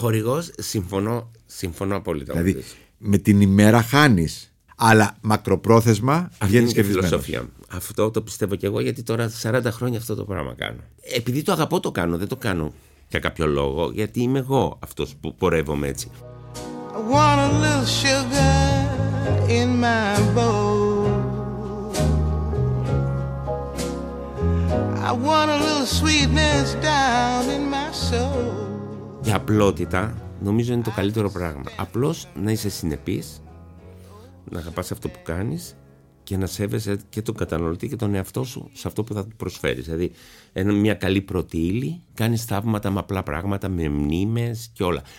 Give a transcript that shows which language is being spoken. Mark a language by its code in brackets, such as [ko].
[el] Ο χορηγός, συμφωνώ απόλυτα. Δηλαδή, με την ημέρα χάνεις. Αλλά μακροπρόθεσμα βγαίνει και φιλοσοφία. Αυτό το πιστεύω και εγώ, γιατί τώρα 40 χρόνια αυτό το πράγμα κάνω. Επειδή το αγαπώ, το κάνω. Δεν το κάνω για κάποιο λόγο, γιατί είμαι εγώ αυτός που πορεύομαι έτσι. [en] I want a little sugar in my bowl. I want a little sweetness down in my soul. [el] Η απλότητα νομίζω είναι το καλύτερο πράγμα. Απλώς να είσαι συνεπής, να αγαπάς αυτό που κάνεις και να σέβεσαι και τον καταναλωτή και τον εαυτό σου σε αυτό που θα του προσφέρεις. Δηλαδή, μια καλή πρώτη ύλη, κάνεις θαύματα με απλά πράγματα, με μνήμες και όλα.